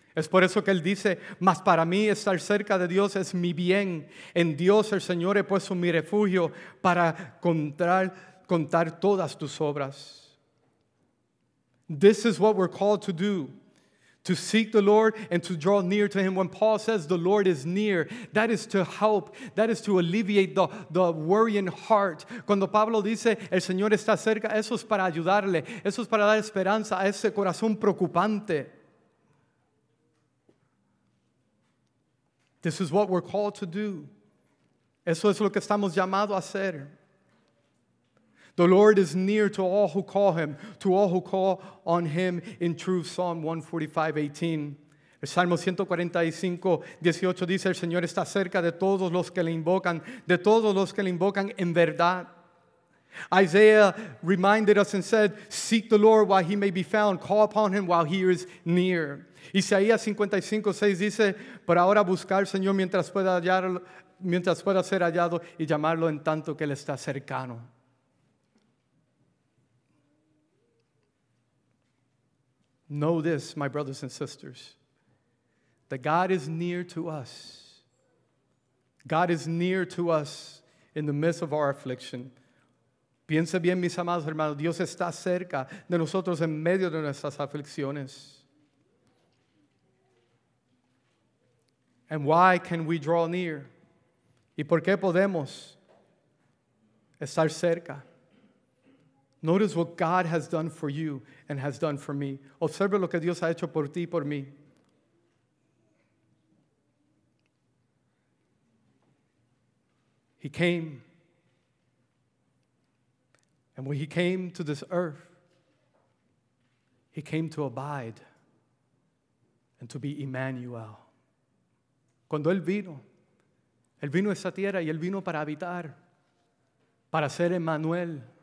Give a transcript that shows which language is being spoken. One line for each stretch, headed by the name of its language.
Spanish: Es por eso que él dice, "Mas para mí estar cerca de Dios es mi bien. En Dios el Señor he puesto mi refugio para contar todas tus obras."
English: This is what we're called to do. To seek the Lord and to draw near to him. When Paul says the Lord is near, that is to help. That is to alleviate the worrying heart.
Spanish: Cuando Pablo dice, el Señor está cerca, eso es para ayudarle. Eso es para dar esperanza a ese corazón preocupante.
English: This is what we're called to do.
Spanish: Eso es lo que estamos llamados a hacer.
English: The Lord is near to all who call him, to all who call on him in truth. Psalm 145:18.
Spanish: El Salmo 145:18 dice, el Señor está cerca de todos los que le invocan, de todos los que le invocan en verdad.
English: Isaiah reminded us and said, "Seek the Lord while he may be found. Call upon him while he is near."
Spanish: Isaías 55:6 dice, "Por ahora buscar al Señor mientras pueda ser hallado y llamarlo en tanto que él está cercano."
English: Know this, my brothers and sisters, that God is near to us. God is near to us in the midst of our affliction.
Spanish: Piense bien, mis amados hermanos, Dios está cerca de nosotros en medio de nuestras aflicciones.
English: And why can we draw near?
Spanish: ¿Y por qué podemos estar cerca?
English: Notice what God has done for you and has done for me.
Spanish: Observe lo que Dios ha hecho por ti y por mí.
English: He came. And when he came to this earth, he came to abide and to be Emmanuel.
Spanish: Cuando él vino a esta tierra y él vino para habitar, para ser Emmanuel.